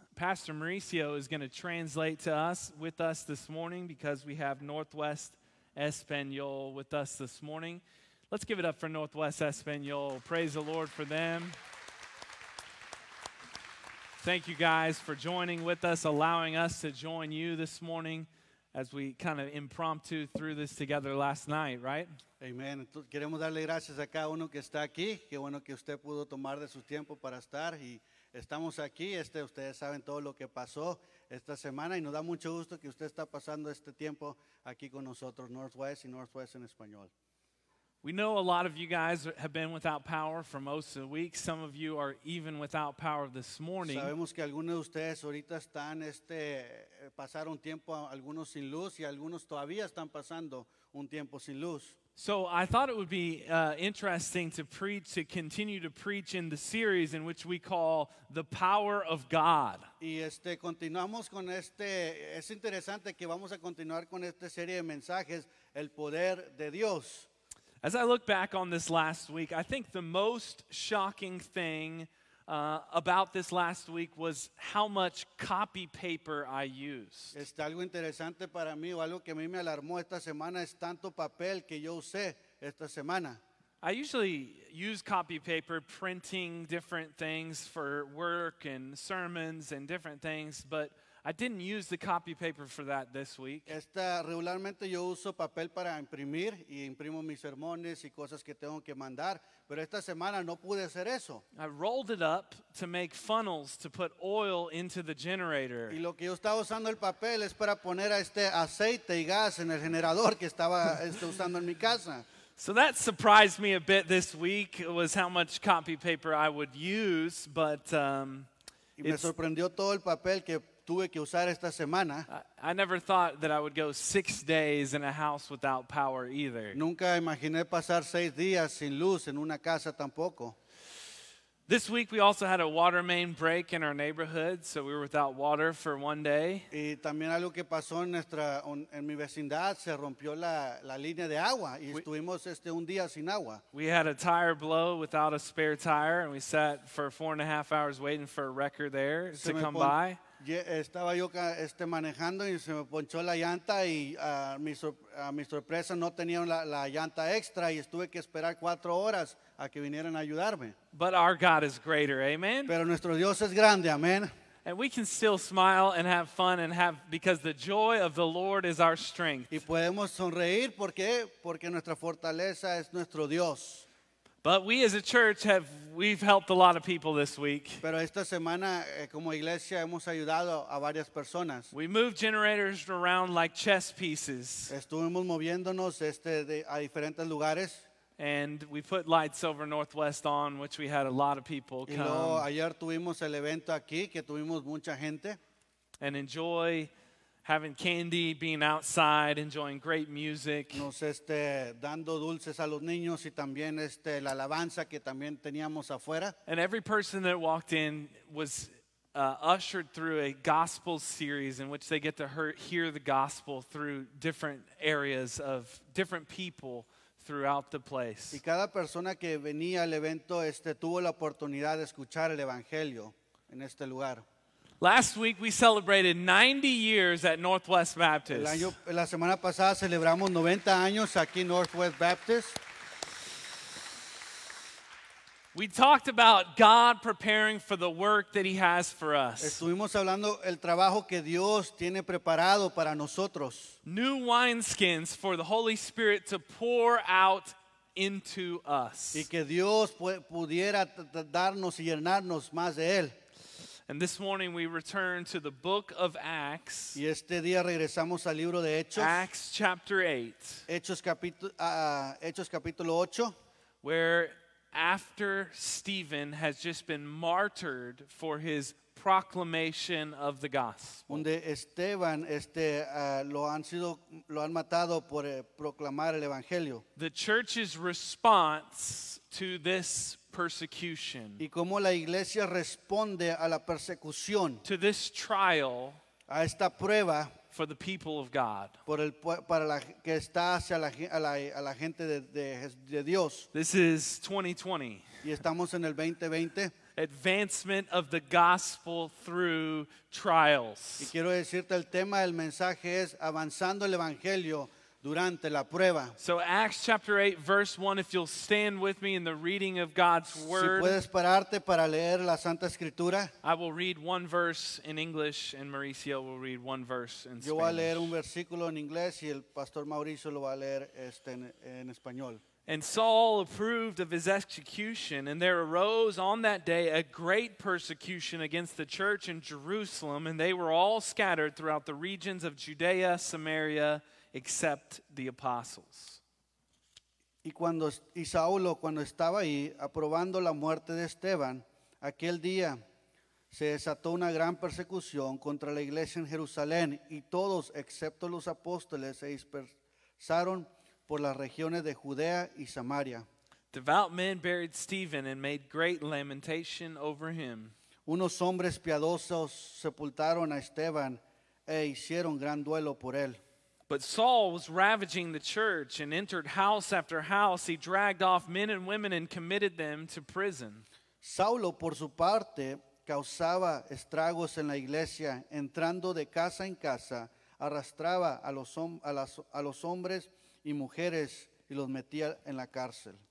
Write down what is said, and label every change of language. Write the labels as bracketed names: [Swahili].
[English] Pastor Mauricio is going to translate to us with us this morning, because we have Northwest Espanol with us this morning. Let's give it up for Northwest Espanol. Praise the Lord for them. Thank you guys for joining with us, allowing us to join you this morning as we kind of impromptu threw this together last night, right? Amen. [Spanish] Entonces, queremos darle gracias a cada uno que está aquí. Qué bueno que usted pudo tomar de su tiempo para estar y estamos aquí. Ustedes saben todo lo que pasó esta semana y nos da mucho gusto que usted está pasando este tiempo aquí con nosotros, Northwest y Northwest en español. [English] We know a lot of you guys have been without power for most of the week. Some of you are even without power this morning. [Spanish] Sabemos que algunos de ustedes ahorita están pasaron tiempo algunos sin luz y algunos todavía están pasando un tiempo sin luz. [English] So I thought it would be interesting to continue to preach in the series in which we call The Power of God. [Spanish] Y continuamos con es interesante que vamos a continuar con esta serie de mensajes, El Poder de Dios. [English] As I look back on this last week, I think the most shocking thing about this last week was how much copy paper I used. [Spanish] Está algo interesante para mí o algo que a mí me alarmó esta semana es tanto papel que yo usé esta semana. [English] I usually use copy paper printing different things for work and sermons and different things, but I didn't use the copy paper for that this week. [Spanish] Esta regularmente yo uso papel para imprimir y imprimo mis sermones y cosas que tengo que mandar, pero esta semana no pude hacer eso. [English] I rolled it up to make funnels to put oil into the generator. [Spanish] Y lo que yo estaba usando el papel es para poner aceite y gas en el generador que estaba usando en mi casa. [English] So that surprised me a bit this week was how much copy paper I would use, but [Spanish] y me sorprendió todo el papel que tuve que usar esta semana. [English] I never thought that I would go 6 days in a house without power either. [Spanish] Nunca imaginé pasar 6 días sin luz en una casa tampoco. [English] This week we also had a water main break in our neighborhood, so we were without water for one day. [Spanish] Y también algo que pasó en mi vecindad, se rompió la línea de agua y estuvimos un día sin agua. [English] We had a tire blow without a spare tire, and we sat for 4.5 hours waiting for a wrecker there to come by. [Spanish] Estaba yo manejando y se me ponchó la llanta y a mi sorpresa no tenía la llanta extra y estuve que esperar 4 horas a que vinieran a ayudarme. [English] But our God is greater, amen? [Spanish] Pero nuestro Dios es grande, amén. [English] And we can still smile and have fun and have, because the joy of the Lord is our strength. [Spanish] Y podemos sonreír, ¿por qué? Porque nuestra fortaleza es nuestro Dios. [English] But we as a church we've helped a lot of people this week. [Spanish] Pero esta semana como iglesia hemos ayudado a varias personas. [English] We moved generators around like chess pieces. [Spanish] Estuvimos moviéndonos a diferentes lugares. [English] And we put Lights Over Northwest on, which we had a lot of people come. [Spanish] Y luego ayer tuvimos el evento aquí que tuvimos mucha gente. [English] And enjoy having candy, being outside, enjoying great music. [Spanish] Nos dando dulces a los niños y también la alabanza que también teníamos afuera. [English] And every person that walked in was ushered through a gospel series in which they get to hear the gospel through different areas of different people throughout the place. [Spanish] Y cada persona que venía al evento tuvo la oportunidad de escuchar el evangelio en este lugar. [English] Last week we celebrated 90 years at Northwest Baptist. [Spanish] La semana pasada celebramos 90 años aquí Northwest Baptist. [English] We talked about God preparing for the work that He has for us. [Spanish] Estuvimos hablando el trabajo que Dios tiene preparado para nosotros. [English] New wineskins for the Holy Spirit to pour out into us. [Spanish] Y que Dios pudiera darnos y llenarnos más de Él. [English] And this morning we return to the book of Acts. [Spanish] Y día regresamos al libro de Hechos. [English] Acts chapter 8. [Spanish] Hechos capítulo 8. [English] Where after Stephen has just been martyred for his proclamation of the gospel. [Spanish] Donde Esteban lo han matado por proclamar el evangelio. [English] The church's response to this persecution. [Spanish] Y cómo la iglesia responde a la persecución. [English] To this trial. [Spanish] A esta prueba. [English] For the people of God. [Spanish] Por el para la que está hacia la gente de Dios. [English] This is 2020. [Spanish] Y estamos en el 2020. [English] Advancement of the gospel through trials. [Spanish] Y quiero decirte el tema del mensaje es avanzando el evangelio. Durante la prueba. [English] So Acts chapter 8 verse 1, if you'll stand with me in the reading of God's word. [Spanish] Si puedes pararte para leer la Santa Escritura. [English] I will read one verse in English and Mauricio will read one verse in Spanish. [Spanish] Yo voy a leer un versículo en inglés y el pastor Mauricio lo va a leer en español. [English] And Saul approved of his execution, and there arose on that day a great persecution against the church in Jerusalem, and they were all scattered throughout the regions of Judea, Samaria, except the apostles. [Spanish] Y Saulo, cuando estaba ahí, aprobando la muerte de Esteban, aquel día se desató una gran persecución contra la iglesia en Jerusalén, y todos, excepto los apóstoles, se dispersaron por las regiones de Judea y Samaria. [English] Devout men buried Stephen and made great lamentation over him. [Spanish] Unos hombres piadosos sepultaron a Esteban e hicieron gran duelo por él. [English] But Saul was ravaging the church and entered house after house. He dragged off men and women and committed them to prison. [Spanish] Saulo, por su parte, causaba estragos en la iglesia, entrando de casa en casa, arrastraba a los hombres y mujeres y los metía en la cárcel.